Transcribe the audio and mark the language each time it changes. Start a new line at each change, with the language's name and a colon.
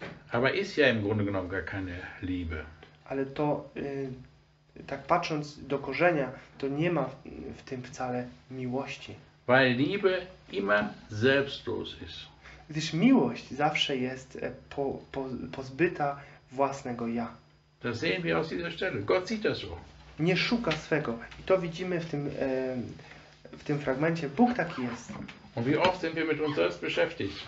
German: Aber ist ja im Grunde genommen gar keine Liebe.
Polish: Ale to tak patrząc do korzenia, to nie ma w tym wcale miłości.
German: Weil Liebe immer selbstlos ist.
Polish: Gdyż miłość zawsze jest pozbyta własnego ja.
German: Das sehen wir aus dieser Stelle. Gott sieht das so.
Polish: Nie szuka swego. I to widzimy w tym fragmencie. Bóg taki jest.
German: Und wie oft sind wir mit uns selbst beschäftigt?